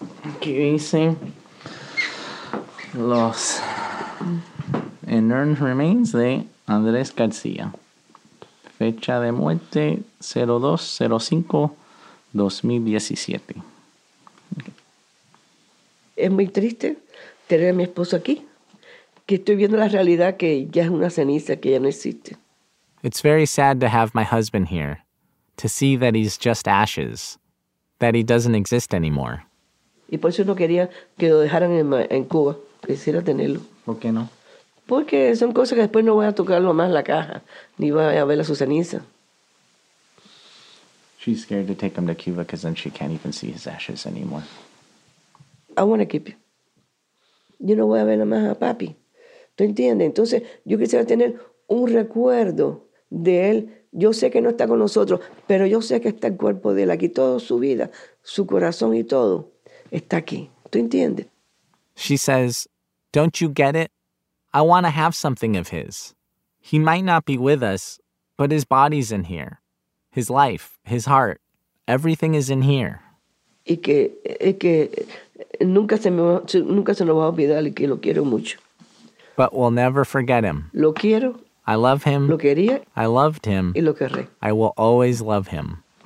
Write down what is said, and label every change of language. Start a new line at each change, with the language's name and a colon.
Spanish: Aquí dice los
English: inert remains
Spanish: de Andrés García. Fecha de muerte 02/05/2017. Es muy triste tener a mi esposo aquí. Que estoy viendo la realidad que ya es una ceniza, que ya no existe.
English: It's very sad to have my husband here, to see that he's just ashes, that he doesn't exist anymore.
Spanish: Y por eso no quería que lo dejaran en Cuba. Quisiera tenerlo. ¿Por qué no? Porque son cosas que después no voy a tocarlo más la caja, ni voy a ver a su ceniza.
English: She's scared to take him to Cuba because then she can't even see his ashes anymore. I want to keep you.
Spanish: Yo no voy a ver más a papi. ¿Tú entiendes? Entonces, yo quisiera tener un recuerdo de él Yo sé que no está con nosotros, pero yo sé que está el cuerpo de él aquí, toda su vida, su corazón y todo está aquí. ¿Tú entiendes?
English: She says, "Don't you get it? I want to have something of his. He might not be with us, but his body's in here. His life, his heart, everything is in here."
Spanish: Y que nunca se nos va a olvidar y que lo quiero mucho.
English: But we'll never forget him.
Spanish: Lo quiero.
English: I love him.
Spanish: Lo quería.
English: I loved him.
Spanish: Y lo querré.
English: I will always love him.